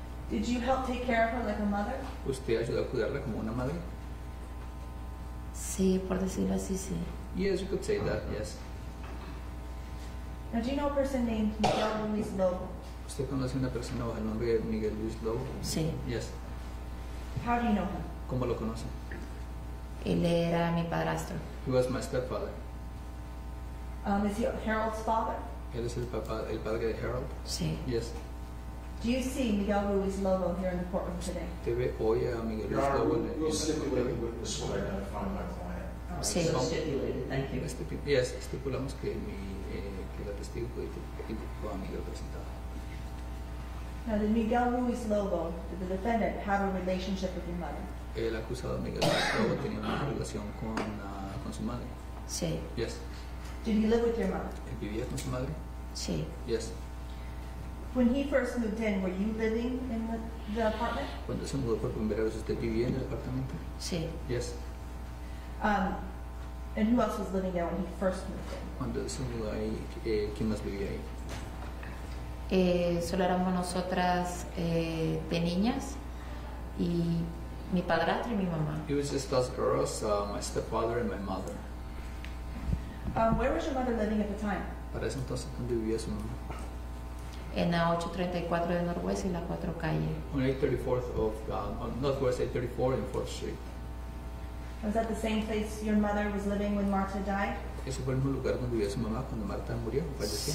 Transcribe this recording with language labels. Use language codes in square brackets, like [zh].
[en] Did you help take care of her like a mother? [es] ¿Usted ayudó a cuidarla como una madre? Sí, por decirlo así, sí. [en] Yes, you could say that, yes. Now, do you know a person named Miguel Ruiz Lobo? [es] ¿Usted conoce una persona bajo el nombre de Miguel Ruiz Lobo? Sí. [en] Yes. How do you know him? [es] ¿Cómo lo conoce? Él era mi padrastro. [en] He was my stepfather. Is he Harold's father? [es] ¿Él es el papá, el padre de Harold? Sí. [en] Yes. Do you see Miguel Ruiz Lobo here in the courtroom today? [es] ¿Te ve hoy a Miguel Ruiz Lobo? [en] Your Honor, we'll stipulate with this one to find my client. Sí. So stipulated, thank you. [es] Yes, estipulamos que mi que la testigo puede identificar a Miguel presentado. [en] Now, did Miguel Ruiz Lobo, did the defendant, have a relationship with your mother? [es] El acusado Miguel Ruiz Lobo tenía una relación con su madre. Sí. [en] Yes. Did he live with your mother? [es] ¿Él vivía con su madre? Sí. [en] Yes. When he first moved in, were you living in the apartment? [es] Cuando se mudó por primera vez, ¿usted vivía en el apartamento? Sí. [en] Yes. And who else was living there when he first moved in? [es] Cuando se mudó ahí, ¿quién más vivía ahí? Solo éramos nosotras de niñas y mi padrastro y mi mamá. [en] It was just us girls, my stepfather and my mother. Where was your mother living at the time? [es] Para ese entonces, ¿dónde vivía su mamá? En la 834 de Norwest y la 4 calle. [en] On 834th of on Northwest 834 and 4th Street. Was that the same place your mother was living when Marta died? [es] ¿Ese fue el mismo lugar donde vivía su mamá cuando Marta murió o falleció?